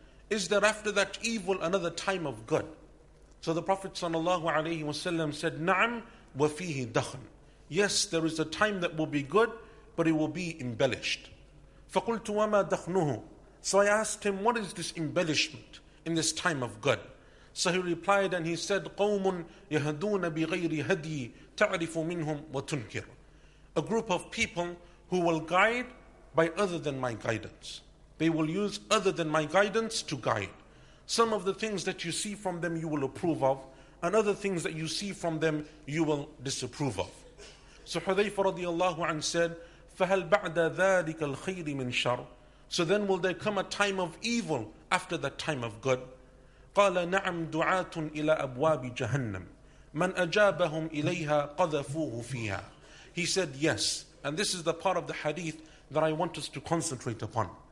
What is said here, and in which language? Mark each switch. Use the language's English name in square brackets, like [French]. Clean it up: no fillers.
[English] Is there after that evil another time of good? So the Prophet sallallahu alayhi wa sallam said, [Arabic] نعم وفيه دخن. [English] Yes, there is a time that will be good, but it will be embellished. [Arabic] فَقُلْتُ وَمَا دَخْنُهُ. [English] So I asked him, what is this embellishment in this time of good? So he replied and he said, [Arabic] قَوْمٌ يَهَدُونَ بِغَيْرِ هَدِي تَعْرِفُ مِنْهُمْ وَتُنْكِرُ. [English] A group of people who will guide by other than my guidance. They will use other than my guidance to guide. Some of the things that you see from them you will approve of, and other things that you see from them you will disapprove of. So Hudhayfa radiallahu anhu said, [Arabic] فَهَلْ بَعْدَ ذَٰلِكَ الْخَيْرِ مِنْ شَرٍ. [English] So then will there come a time of evil after that time of good? [Arabic] قَالَ نَعَمْ دُعَاتٌ إِلَىٰ أَبْوَابِ جَهَنَّمْ مَنْ أَجَابَهُمْ إِلَيْهَا قَذَفُوهُ فِيهَا. [English] He said yes, and this is the part of the hadith that I want us to concentrate upon.